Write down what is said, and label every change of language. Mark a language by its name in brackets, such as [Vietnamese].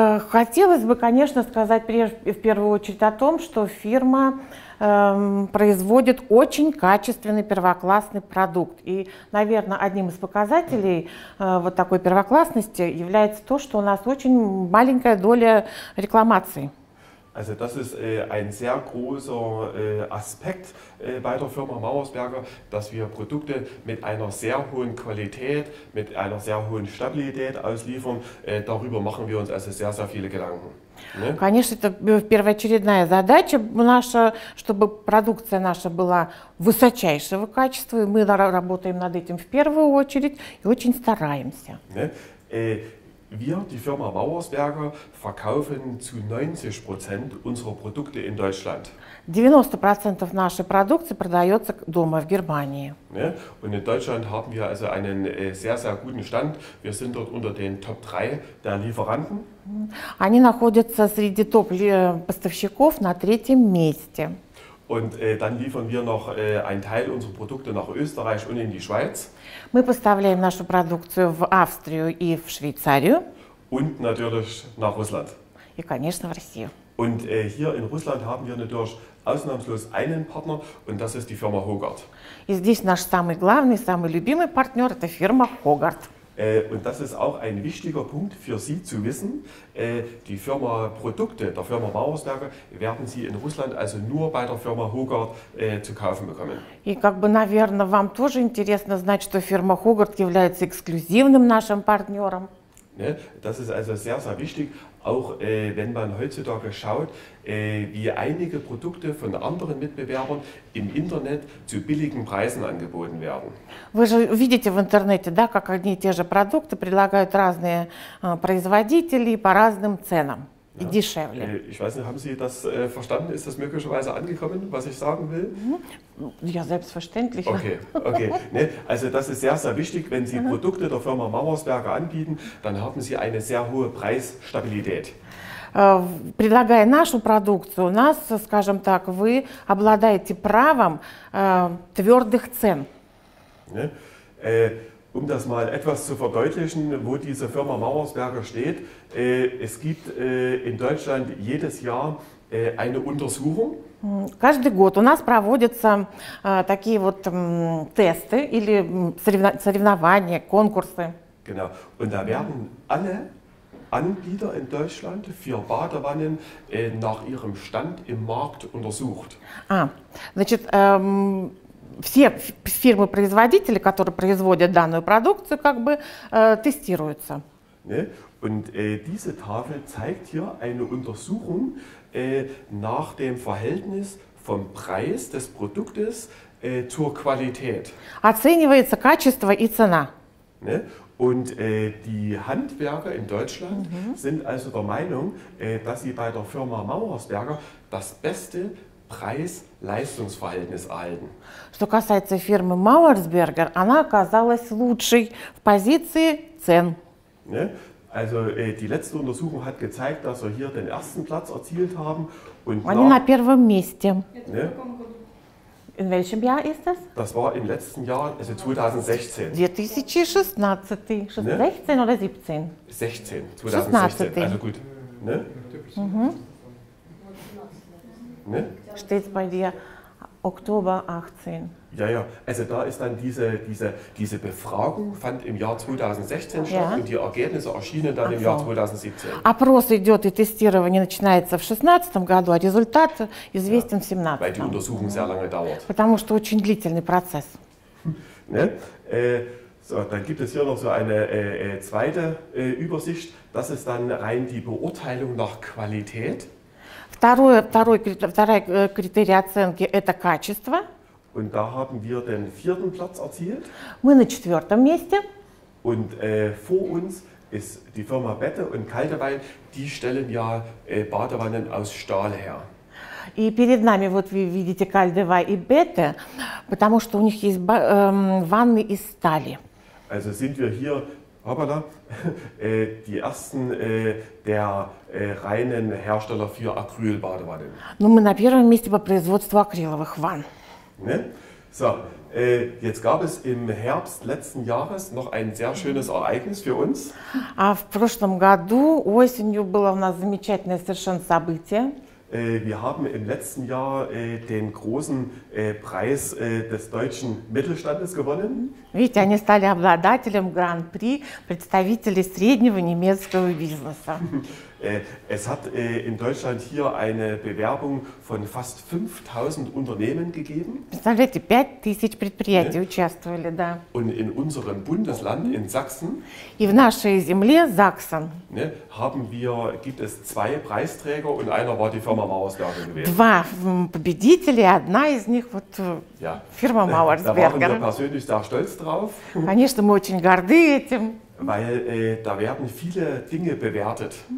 [Russian] Хотелось бы, конечно, сказать в первую очередь о том, что фирма производит очень качественный первоклассный продукт. И, наверное, одним из показателей вот такой первоклассности является то, что у нас очень маленькая доля рекламации. [German] Also das ist ein sehr großer Aspekt bei der Firma Mauersberger, dass wir Produkte mit einer sehr hohen Qualität, mit einer sehr hohen Stabilität ausliefern. Darüber machen wir uns also sehr, sehr viele Gedanken. Ne? [Russian] Конечно, это первоочередная задача наша, чтобы продукция наша была высочайшего качества. И мы работаем над этим в первую очередь и очень стараемся. [German] Ne? Wir, die Firma Mauersberger, verkaufen zu 90% unserer Produkte in Deutschland. [Russian] 90% нашей продукции продается дома в Германии. [German] Ne? Und in Deutschland haben wir also einen sehr, sehr guten Stand. Wir sind dort unter den Top 3 der Lieferanten. [Russian] Они находятся среди топ-поставщиков на третьем месте. [German] Und dann liefern wir noch einen Teil unserer Produkte nach Österreich und in die Schweiz. [Russian] Мы поставляем нашу продукцию в Австрию и в Швейцарию. [German] Und natürlich nach Russland. [Russian] И, конечно, в Россию. [German] Und hier in Russland haben wir natürlich ausnahmslos einen Partner, und das ist die Firma Hogart. [Russian] И здесь наш самый главный, самый любимый партнер – это фирма Hogart. [German] Und das ist auch ein wichtiger Punkt für Sie zu wissen. Die Firma Produkte der Firma Mauersberger werden Sie in Russland also nur bei der Firma Hogart zu kaufen bekommen. [Russian] И как бы, наверное, вам тоже интересно знать, что фирма Hogart является эксклюзивным нашим партнером. [German] Ne? Das ist also sehr, sehr wichtig, auch wenn man heutzutage schaut, wie einige Produkte von anderen Mitbewerbern im Internet zu billigen Preisen angeboten werden. [Russian] Вы же видите в интернете, да, как одни и те же продукты предлагают разные производители по разным ценам. [German] Ja. [Russian] Дешевле. [German] Ich weiß nicht, haben Sie das verstanden? Ist das möglicherweise angekommen, was ich sagen will? Ja, selbstverständlich. Okay, okay. Ne? Also das ist sehr, sehr wichtig. Wenn Sie Produkte der Firma Mauersberger anbieten, dann haben Sie eine sehr hohe Preisstabilität. [Russian] Предлагая нашу продукцию, у нас, скажем так, вы обладаете правом твердых цен. [German] Ne? Um das mal etwas zu verdeutlichen, wo diese Firma Mauersberger steht. Es gibt in Deutschland jedes Jahr eine Untersuchung. [Russian] Каждый год у нас проводятся такие вот тесты или соревнования, конкурсы. [German] Genau. Und da werden alle Anbieter in Deutschland für Badewannen nach ihrem Stand im Markt untersucht. [Russian] Все фирмы-производители, которые производят данную продукцию, как бы тестируются. [German] Ne? Und diese Tafel zeigt hier eine Untersuchung nach dem Verhältnis vom Preis des Produktes zur Qualität. [Russian] Оценивается качество и цена. [German] Ne? Und die Handwerker in Deutschland sind also der Meinung, dass sie bei der Firma Mauersberger das beste Preis-Leistungsverhältnis erhalten. [Russian] Что касается фирмы Mauersberger, она оказалась лучшей в позиции цен. [German] Ne? Also die letzte Untersuchung hat gezeigt, dass wir hier den ersten Platz erzielt haben. Und [Russian] они на первом месте. [German] Ne? In welchem Jahr ist das? Das war im letzten Jahr, also 2016. 2016, 16 oder 17? 16, 2016. 16. Also gut. Ne? Ne? Steht bei dir Oktober 18. Ja, also da ist dann diese Befragung fand im Jahr 2016 statt und die Ergebnisse erschienen dann im Jahr Also. 2017. [Russian] Опрос идет и тестирование начинается в 2016 году, а результат [German] Ja, [Russian] известен в 2017 [German] weil die Untersuchung [Russian] году. [German] sehr lange dauert. [Russian] Потому что очень длительный процесс. [German] Ne? So, dann gibt es hier noch so eine zweite Übersicht. Das ist dann rein die Beurteilung nach Qualität. [Russian] Второй критерий оценки – это качество. [German] Und da haben wir den vierten Platz erzielt. [Russian] Мы на четвертом месте. [German] Und vor uns ist die Firma Bette und Kaltewein. Die stellen ja Badewannen aus Stahl her. [Russian] И перед нами, вот вы видите, Кальдева и Бетте, потому что у них есть ванны из стали. [German] Also sind wir hier, hoppala, die ersten der reinen Hersteller für Acrylbadewannen. [Russian] Но мы на первом месте по производству акриловых ванн. [German] Ne? So, jetzt gab es im Herbst letzten Jahres noch ein sehr schönes Ereignis für uns. [Russian] А в прошлом году осенью было у нас замечательное совершенно событие. [German] Wir haben im letzten Jahr den großen Preis des deutschen Mittelstandes gewonnen. [Russian] Видите, они стали обладателем гран-при представителей среднего немецкого бизнеса. [German] Es hat in Deutschland hier eine Bewerbung von fast 5000 Unternehmen gegeben. [Russian] Представляете, 5000 предприятий [German] Ne? [Russian] участвовали, да. [German] Und in unserem Bundesland, in Sachsen, [Russian] И в нашей земле, Sachsen, [German] Ne, gibt es zwei Preisträger und einer war die Firma Mauersberger gewesen. [Russian] Два победителя, одна из них вот [German] Ja, [Russian] фирма [German] da waren wir [Russian] Mauersberger. [German] persönlich sehr stolz drauf, [Russian] Конечно, мы очень горды этим. [German] weil da werden viele Dinge bewertet.